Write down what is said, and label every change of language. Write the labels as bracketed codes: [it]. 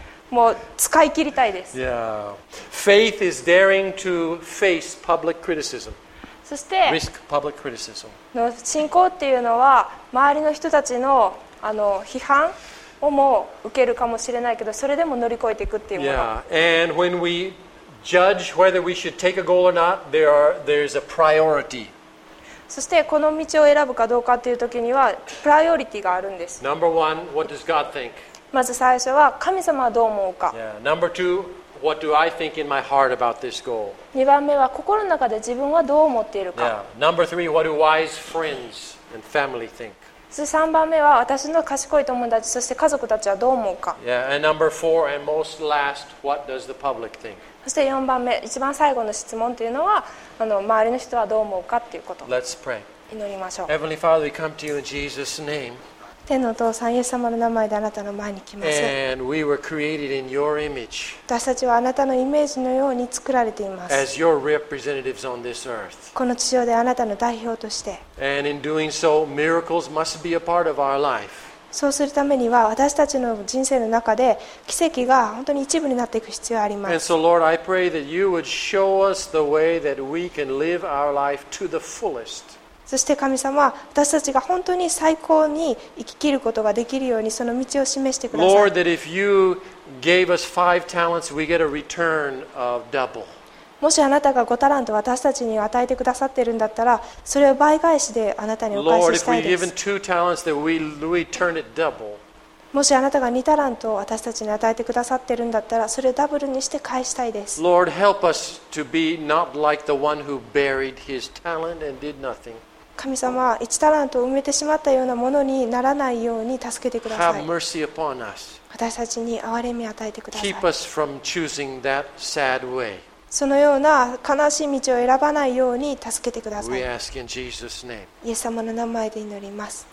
[ja] もう使い切りたいです。 [en] Yeah, faith is daring to face public criticism。 [ja] そして、 [en] risk public criticism。 [ja] の信仰っていうのは周りの人たちの批判。をも受けるかもしれないけどそれでも乗り越えていくっていうもの。 [en] Yeah. And when we judge whether we should take a goal or not, there's a priority. [ja] そしてこの道を選ぶかどうかっていう時にはプライオリティがあるんです。 [en] Number one, what does God think? [ja] まず最初は神様はどう思うか。 [en] Yeah. Number two, what do I think in my heart about this goal? [ja] 2番目は心の中で自分はどう思っているか。 [en] Yeah. Number three, what do wise friends and family think? [ja] 3番目は私の賢い友達そして家族たちはどう思うか。 [en] Yeah, and number four, and most last, what does the public think? [ja] そして4番目一番最後の質問というのは周りの人はどう思うかということ。 [en] Let's pray. [ja] 祈りましょう。 [en] Heavenly Father, we come to you in Jesus' name. [ja] 天のお父さんイエス様の名前であなたの前に来ます。 [en] And we were created in your image. [ja] 私たちはあなたのイメージのように作られています。 [en] As your representatives on this earth. [ja] この地上であなたの代表として。 [en] And in doing so, miracles must be a part of our life. [ja] そうするためには私たちの人生の中で奇跡が本当に一部になっていく必要があります。 [en] And so Lord, I pray that you would show us the way that we can live our life to the fullest. [ja] そして神様、私たちが本当に最高に生き切ることができるようにその道を示してください。 [en] Lord, that if you gave us five talents, we get a return of double. [ja] もしあなたが5タラント私たちに与えてくださっているんだったら、それを倍返しであなたにお返ししたいです。 [en] Lord, if we give him two talents, then we turn it double. [ja] もしあなたが2タラントを私たちに与えてくださっているんだったら、それをダブルにして返したいです。 [en] Lord, help us to be not like the one who buried his talent and did nothing. [ja] 神様、1タラントを埋めてしまったようなものにならないように助けてください。 [en] Have mercy upon us. [ja] 私たちに憐れみを与えてください。 [en] Keep us from choosing that sad way. [ja] そのような悲しい道を選ばないように助けてください。 [en] We ask in Jesus' name. [ja] イエス様の名前で祈ります。